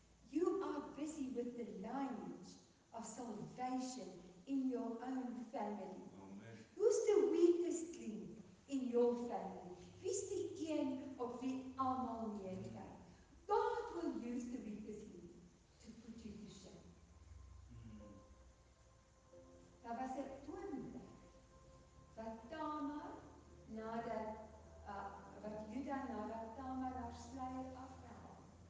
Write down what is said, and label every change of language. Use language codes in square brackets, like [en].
[en] You are busy with the lineage of salvation in your own family. Who's the weakest link in your family? [af] Wie's die een op wie almal neerkyk? [en] God will use the weakest link to put you to shame. [af] Daar was 'n oomblik wat Tamar nadat Juda nadat Tamar haar sluier afgehaal